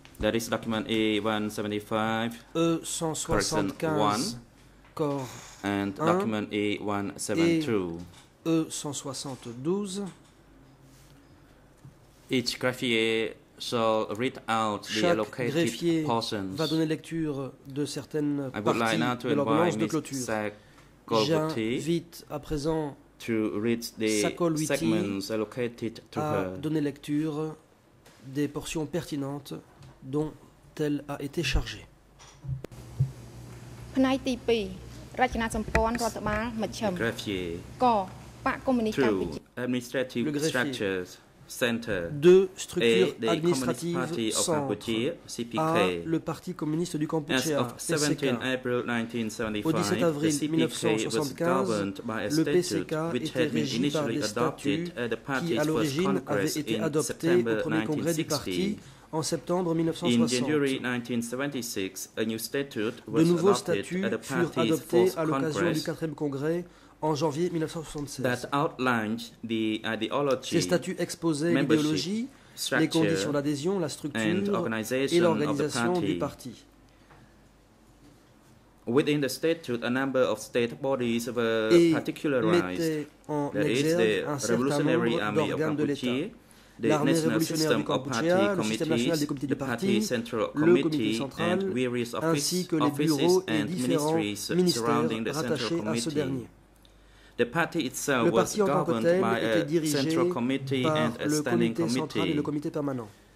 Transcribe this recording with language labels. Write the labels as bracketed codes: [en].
[en] that is document A175, Corps 1, and document A172. Each greffier shall read out the allocated portions. [fr] Va donner lecture de certaines parties de l'ordonnance de clôture. J'invite à présent [en] to read the segments allocated to [fr] à donner lecture des portions pertinentes dont elle a été chargée. [km] Phnai ti 2 Rachana Sampon Ratthabal Macham Ko Pak [en] administrative structures center [fr] deux structures administratives CPK le Parti communiste du Cambodge [en] as of 17 April 1975 le CPK was governed by a statute which had been initially adopted at the party's first congress in September 1960. [fr] En septembre 1960, de nouveaux statuts furent adoptés à l'occasion du 4e congrès en janvier 1976. Ces statuts exposaient l'idéologie, les conditions d'adhésion, la structure et l'organisation du parti. [en] Within the statute, a number of state bodies were particularized, that is, the Revolutionary Army of Cambodia, the [fr] l'armée révolutionnaire du Cambodge, le système national des comités du parti, le comité central, ainsi que les bureaux et différents ministères rattachés à ce dernier. [en] The party itself [fr] le parti [en] was [fr] en tant que tel était dirigé par le comité [en] committee. [fr] Central et le comité permanent.